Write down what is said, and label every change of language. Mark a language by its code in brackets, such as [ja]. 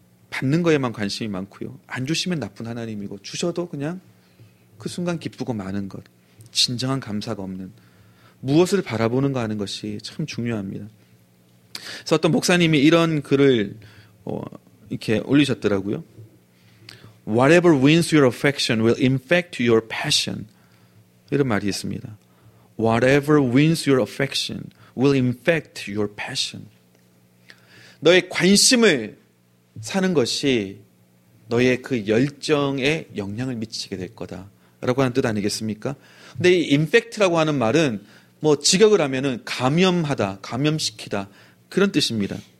[ko] 받는 거에만 관심이 많고요. 안 주시면 나쁜 하나님이고 주셔도 그냥 그 순간 기쁘고 많은 것. 진정한 감사가 없는. 무엇을 바라보는가 하는 것이 참 중요합니다. 그래서 어떤 목사님이 이런 글을 이렇게 올리셨더라고요. [en] Whatever wins your affection will infect your passion. [ko] 이런 말이 있습니다. [en] Whatever wins your affection will infect your passion. [ko] 너의 관심을 사는 것이 너의 그 열정에 영향을 미치게 될 거다라고 하는 뜻 아니겠습니까? 근데 이 infect라고 하는 말은 뭐 직역을 하면은 감염하다, 감염시키다 그런 뜻입니다.